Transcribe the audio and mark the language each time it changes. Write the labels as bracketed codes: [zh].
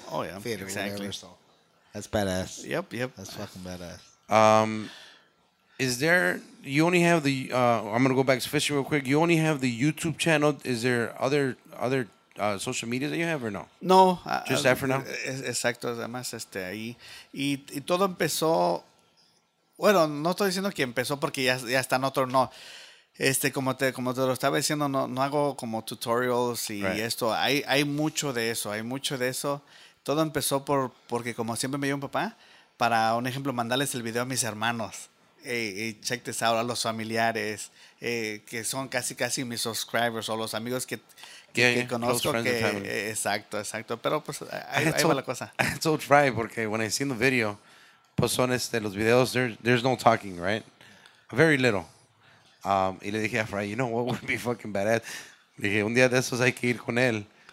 [en] Oh, yeah. Fear exactly. Whatever, so. That's badass. Yep. That's fucking badass. Is there, you only have the, I'm going to go back to fishing real quick. You only have the YouTube channel. Is there other social media that you have or no? No. Just that for now? [es] Exacto. Además, ahí. Y todo empezó, bueno, no estoy diciendo que empezó porque ya está en otro, no. Como te lo estaba diciendo, no hago como tutorials y esto. Hay mucho de eso. Todo empezó porque como siempre me dio un papá, para un ejemplo, mandarles el video a mis hermanos. [en] Hey, check this out, [es] a los familiares, que son casi mis subscribers o los amigos que conozco. Exacto. Pero pues ahí va la cosa. [en] I told Fry, porque when I seen the video, [es] pues son los videos, [en] there's no talking, right? Very little. [es] Y le dije a Fry, [en] you know what would be fucking badass? [es] Le dije, un día de esos hay que ir con él.